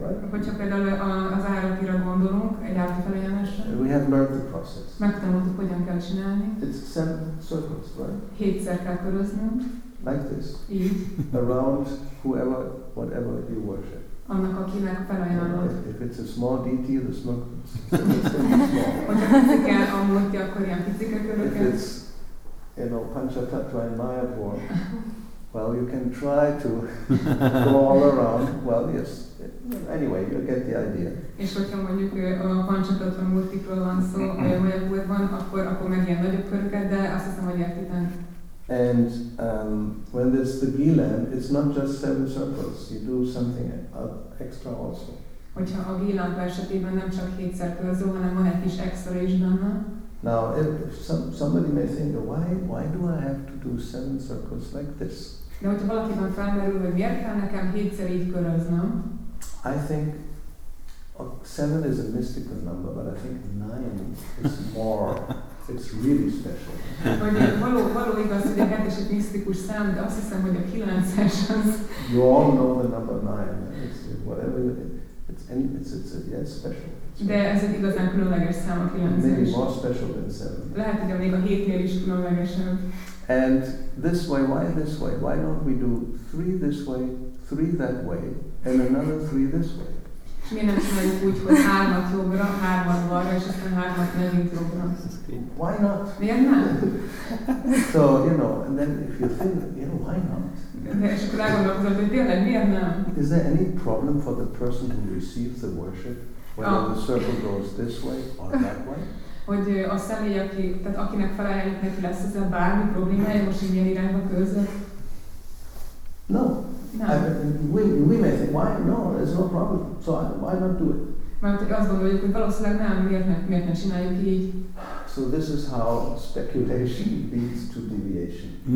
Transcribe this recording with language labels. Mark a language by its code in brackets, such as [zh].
[hu] Hogyha például az áratira gondolunk, egy árti felajánlásra. [en] We have learned the process. [hu] Megtanultuk, hogyan kell csinálni. [en] It's seven circles, right? [hu] Hétszer kell köröznünk. [en] Like this. [hu] Így. [en] Around whoever, whatever you worship. [hu] Annak, akinek felajánlod. [en] If it's a small deity, the smoke is small. [hu] Hogyha picike a múlti, akkor ilyen picike köröket. [en] If it's, you know, Panchatattva in Mayapur, well, you can try to go all around. Well, yes. Anyway, you get the idea. [hu] És hogyha mondjuk a Panchatattva múltikról van szó, Mayapurban, akkor meg ilyen nagyobb köröket, de azt hiszem, hogy értitek. [en] And when there's the Gilan, it's not just seven circles. You do something extra also. [hu] Hogyha a Gilan esetében nem csak hétszer körzöl, hanem van egy kis extra is benne. [en] Now, if somebody may think, why do I have to do seven circles like this? [hu] De hogyha valakiben felmerül, hogy miért kell nekem hétszer így köröznöm? [en] I think seven is a mystical number, but I think nine is more. It's really special. [hu] Való igaz, hogy a hét is egy misztikus szám, de azt hiszem, hogy a kilences az. [en] You all know the number nine. It's whatever. It's special. [hu] De ez egy igazán különleges szám a kilences. [en] Maybe more special than seven. [hu] Lehet, hogy még a hétnél is különlegesebb. [en] And this way, why this way? Why don't we do three this way, three that way, and another three this way? [hu] És miért nem csináljuk úgy, hogy hármat jobbra, hármat balra, és aztán hármat megint jobbra? [en] Why not? [hu] Miért nem? [en] So, you know, and then if you think, you know, why not? [hu] És akkor elgondolkozom, hogy tényleg miért nem? [en] Is there any problem for the person who receives the worship, whether the circle goes this way or that way? [hu] Hogy a személy, tehát akinek felajánlott, neki lesz ez a bármi problémája, most így ilyen irányba közel? [en] No. We may think, why? No, there's no problem. So why not do it? [hu] Mert azt gondoljuk, hogy valószínűleg nem, miért ne csináljuk így. [en] So this is how speculation leads to deviation.